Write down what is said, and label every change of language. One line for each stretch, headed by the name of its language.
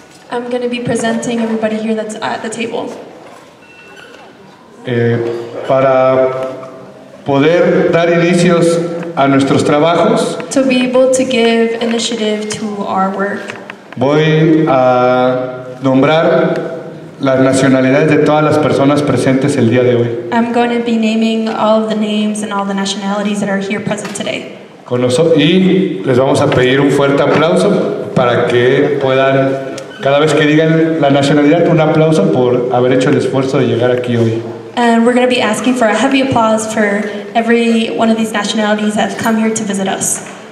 English: I'm going to be presenting everybody here that's at the table.
Spanish: Para poder dar inicios a nuestros trabajos.
English: To be able to give initiative to our work.
Spanish: Voy a nombrar las nacionalidades de todas las personas presentes el día de hoy.
English: I'm going to be naming all of the names and all the nationalities that are here present today.
Spanish: Y les vamos a pedir un fuerte aplauso para que puedan, cada vez que digan la nacionalidad, un aplauso por haber hecho el esfuerzo de llegar aquí hoy.
English: And we're going to be asking for a heavy applause for every one of these nationalities that have come here to visit us.